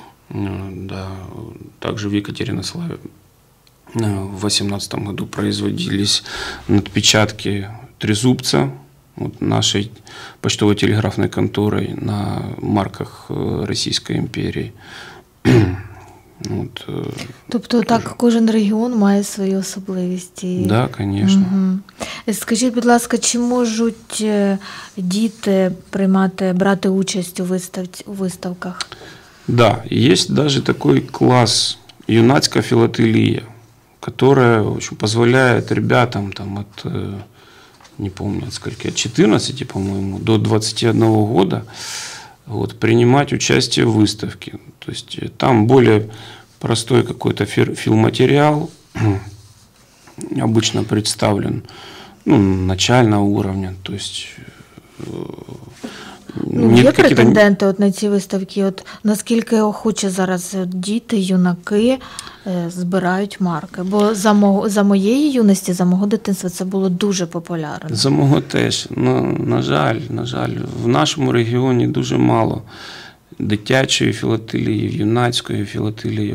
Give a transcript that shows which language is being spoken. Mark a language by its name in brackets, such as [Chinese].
[Russian] Да, также в Екатеринославе. В 18 году производились надпечатки трезубца вот нашей почтово-телеграфной конторой на марках Российской империи. Вот, тобто тоже. [Ukrainian] Так кожен регіон має свої особливості. Так, да, звісно. Угу. Скажіть, будь ласка, чи можуть діти приймати, брати участь у виставках? Так, да, є навіть такий клас [Russian] «Юнацька філателія», которая, в общем, позволяет ребятам там от, не помню, от скольки, от 14, по-моему, до 21 года вот, принимать участие в выставке. То есть там более простой какой-то филматериал обычно представлен, ну, начального уровня, то есть... [Ukrainian] Є претенденти от на ці виставки? От наскільки охоче зараз діти, юнаки збирають марки? Бо за моєї юності, за мого дитинства це було дуже популярно. За мого теж. Ну, на жаль, в нашому регіоні дуже мало дитячої філателії, юнацької філателії.